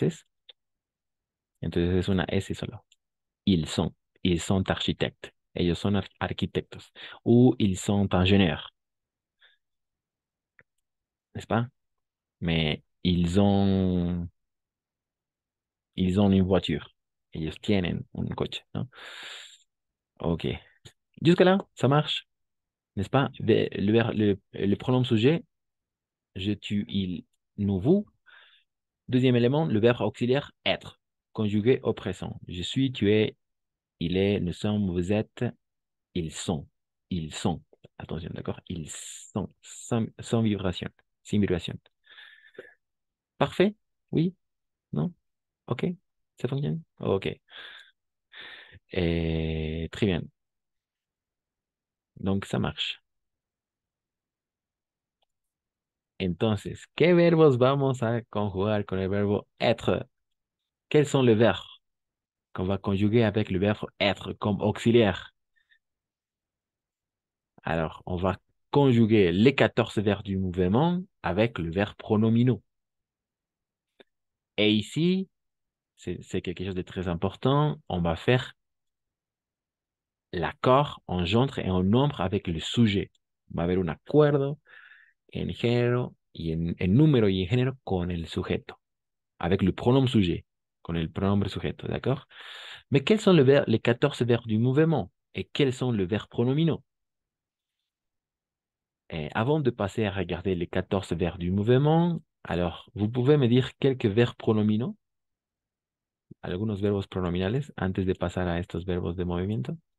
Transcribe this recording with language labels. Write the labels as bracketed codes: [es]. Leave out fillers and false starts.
[fr] Donc, c'est une S solo. Ils sont architectes. [es] Ellos [fr] sont architectes. Ou ils sont ingénieurs. N'est-ce pas? Mais ils ont une voiture. [es] Ellos tienen un coche, non? [fr] Ok. Jusque-là, ça marche. N'est-ce pas? Le pronom sujet, je, tu, il, nous, vous. Deuxième élément, le verbe auxiliaire être, conjugué au présent. Je suis, tu es, il est, nous sommes, vous êtes, ils sont, attention, d'accord? Ils sont, sans vibration, sans vibration. Parfait? Oui? Non? Ok. Ça fonctionne? Ok. Et très bien. Donc, ça marche. [es] Entonces, ¿qué verbos vamos a conjugar con el verbo être? [fr] Quels sont les verbes qu'on va conjuguer avec le verbe être comme auxiliaire? Alors, on va conjuguer les 14 verbes du mouvement avec le verbe pronominal. Et ici, c'est quelque chose de très important, on va faire l'accord en genre et en nombre avec le sujet. [es] Va haber un acuerdo en género y en número y en género con el sujeto. [fr] Avec le pronom sujet. [es] Con el pronombre sujeto, [fr] d'accord? Mais quels sont les 14 verbes du mouvement? Et quels sont les verbes pronominaux? Et avant de passer à regarder les 14 verbes du mouvement, alors, vous pouvez me dire quelques verbes pronominaux? [es] Algunos verbos pronominales antes de pasar a estos verbos de movimiento.